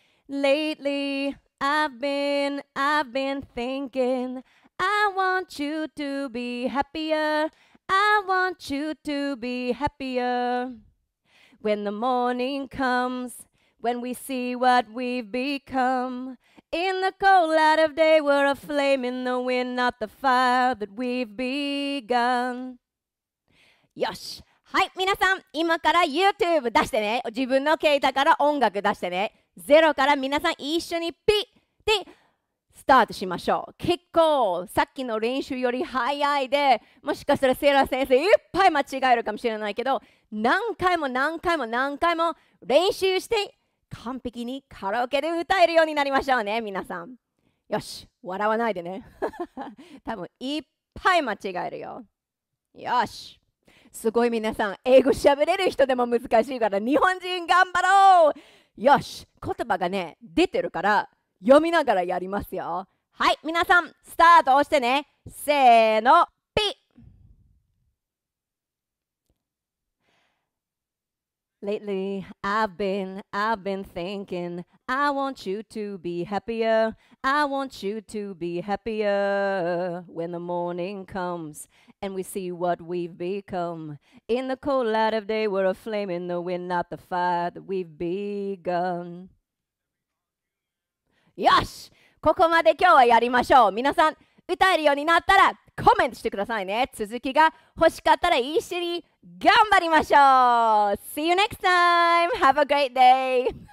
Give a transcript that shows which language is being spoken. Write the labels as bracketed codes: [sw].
[en] Lately, I've been thinking, I want you to be happier, I want you to be happier. When the morning comes, when we see what we've become, in the cold light of day, we're a flame in the wind, not the fire that we've begun. [ja] よし!はい、皆さん、今から YouTube 出してね。自分の携帯から音楽出してね。ゼロから皆さん一緒にピッてスタートしましょう。結構、さっきの練習より早いで、もしかしたらセイラ先生いっぱい間違えるかもしれないけど、何回も何回も何回も練習して、完璧にカラオケで歌えるようになりましょうね、皆さん。よし、笑わないでね。多分、いっぱい間違えるよ。よし。すごい皆さん、英語喋れる人でも難しいから、日本人頑張ろうよし、言葉がね、出てるから、読みながらやりますよ。はい、皆さん、スタート押してね。せーの、ピッ [en] Lately, I've been thinking, I want you to be happier. I want you to be happier when the morning comes and we see what we've become. In the cold light of day, we're a flame in the wind, not the fire that we've begun. [ja] よし、ここまで今日はやりましょう。皆さん、歌えるようになったらコメントしてくださいね。続きが欲しかったら一緒に頑張りましょう。 [en] See you next time. Have a great day.